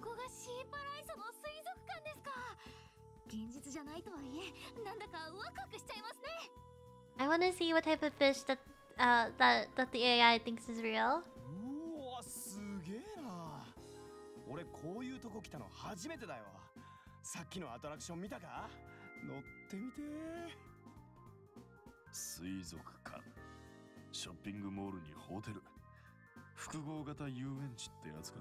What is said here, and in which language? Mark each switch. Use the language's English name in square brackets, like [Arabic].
[Japanese] ここがシーパライソの水族館ですか現実じゃないとはいえ、なんだかワクワクしちゃいますね [English] I wanna see what type of fish thatthat the AI thinks is real. [Japanese] Wow, すげえな。俺こういうとこ来たの初めてだよ。さっきのアトラクション見たか？乗ってみて。水族館、ショッピングモールにホテル、複合型遊園地ってやつか？